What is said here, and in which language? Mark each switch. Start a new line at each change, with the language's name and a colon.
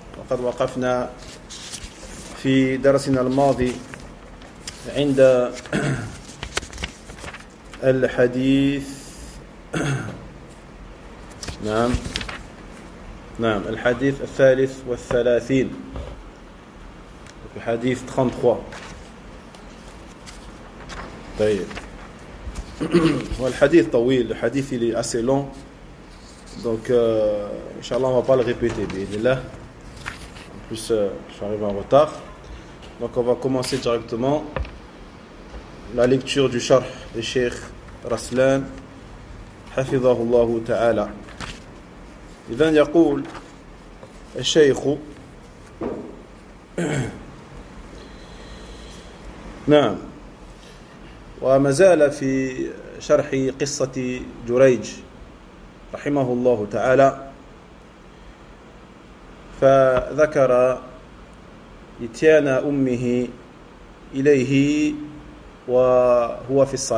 Arabic: وقد وقفنا في درسنا الماضي عند الحديث نعم الحديث 33 الحديث 33. طيب، والحديث طويل، الحديث اللي
French: assez long، donc inshallah on va pas le répéter bien là. En plus j'arrive en retard. Donc on va commencer directement la lecture du charh de Cheikh Raslan
Arabic: حفظه الله تعالى. اذا يقول الشيخ نعم، وما زال في شرح قصة جريج رحمه الله تعالى، فذكر إتيان أمه إليه وهو في